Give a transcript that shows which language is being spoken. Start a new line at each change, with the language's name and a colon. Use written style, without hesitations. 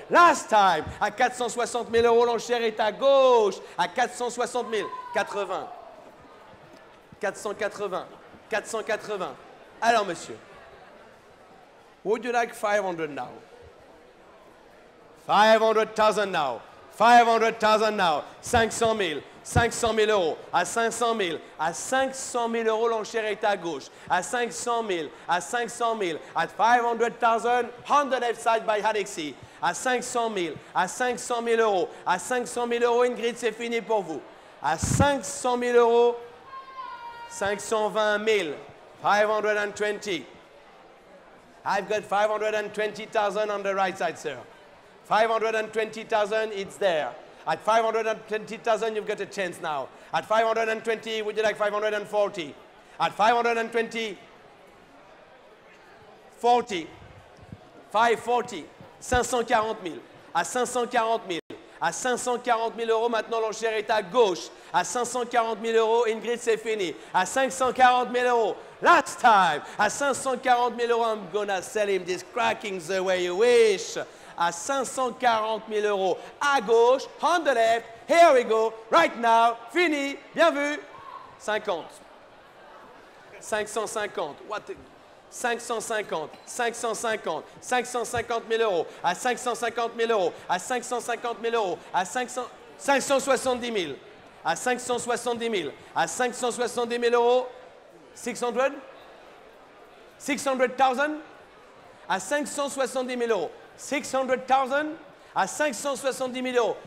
English: Last time,
French: à 460 000 euros, l'enchère est à gauche, à 460 000, 80, 480, 480. Alors, monsieur,
English: would you like 500 now? 500,000 now, 500,000 now, 500 000.
French: 500 000 euros, à 500 000, à 500 000 euros, l'enchère est à gauche, à 500 000, à 500 000,
English: at 500,000, on the left side by Alexis,
French: à 500 000, à 500 000 euros, à 500 000 euros, Ingrid, c'est fini pour vous, à 500 000 euros, 520 000, 520,
English: I've got 520,000 on the right side, sir, 520,000, it's there. At 520,000, you've got a chance now. At 520, would you like 540? At 520, 40, 540, 540 000.
French: À 540 000. À 540 000 euros, maintenant l'enchère est à gauche. À 540 000 euros, Ingrid, c'est fini. À 540 000 euros,
English: last time.
French: À 540 000 euros,
English: I'm gonna sell him this cracking the way you wish.
French: À 540 000 euros, à gauche,
English: on the left, here we go, right now,
French: fini, bien vu, 50, 550, what, 550, 550, 550 000 euros, à 550 000 euros, à 550 000 euros, à 500, 570 000, à 570 000, à 570 000 euros, 600, 600,000, à 570 000 euros, 600,000 à 570 000 euros.